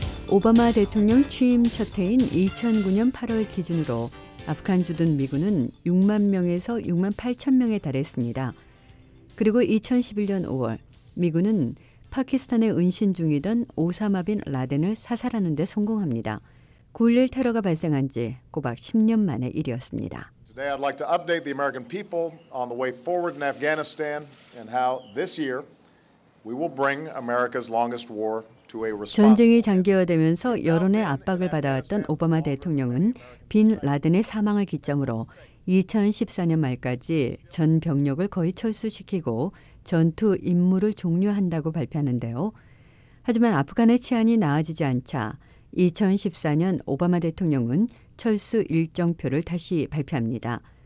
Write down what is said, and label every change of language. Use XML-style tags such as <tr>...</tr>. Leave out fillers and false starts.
<ko>오바마 대통령 취임 첫 해인 2009년 8월 기준으로 아프간 주둔 미군은 6만 명에서 6만 8천 명에 달했습니다. 그리고 2011년 5월 미군은 파키스탄에 은신 중이던 오사마 빈 라덴을 사살하는 데 성공합니다. 9.11 테러가 발생한 지 꼬박 10년 만의 일이었습니다.</ko> <en>Today I'd like to update the American people on the way forward in Afghanistan and how this year we will bring America's longest war to a response.</en> <ko>전쟁이 장기화되면서 여론의 압박을 받아왔던 오바마 대통령은 빈 라덴의 사망을 기점으로 2014년 말까지 전 병력을 거의 철수시키고 전투 임무를 종료한다고 발표하는데요. 하지만 아프간의 치안이 나아지지 않자 2014년 오바마 대통령은 철수 일정표를 다시 발표합니다.</ko>